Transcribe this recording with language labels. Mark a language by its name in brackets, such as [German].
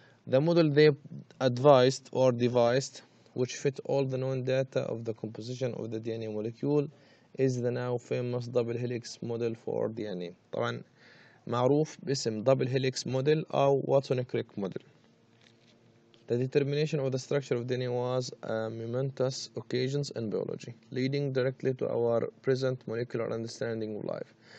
[English] The model they advised or devised which fit all the known data of the composition of the DNA molecule is the now famous double helix model for DNA. [Arabic] طبعا معروف باسم double helix model أو واتسون كريك موديل. [English] The determination of the structure of DNA was a momentous occasion in biology, leading directly to our present molecular understanding of life.